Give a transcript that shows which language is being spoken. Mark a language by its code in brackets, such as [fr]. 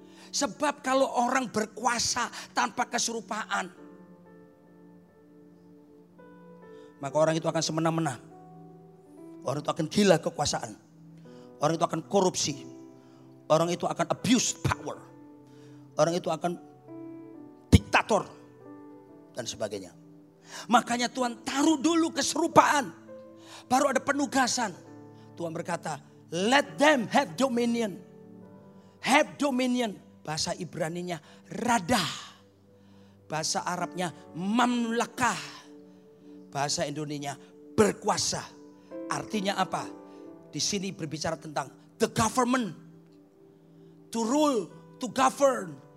[id] Sebab kalau orang berkuasa tanpa keserupaan, maka orang itu akan semena-mena. Orang itu akan gila kekuasaan. Orang itu akan korupsi. Orang itu akan [en] abuse power. [id] Orang itu akan diktator dan sebagainya. Makanya Tuhan taruh dulu keserupaan, baru ada penugasan. Tuhan berkata, [en] let them have dominion. Have dominion. [id] Bahasa Ibrani-nya radah. Bahasa Arab-nya mamlakah. Bahasa Indonesia berkuasa. Artinya apa? Di sini berbicara tentang [en] the government. To rule, to govern.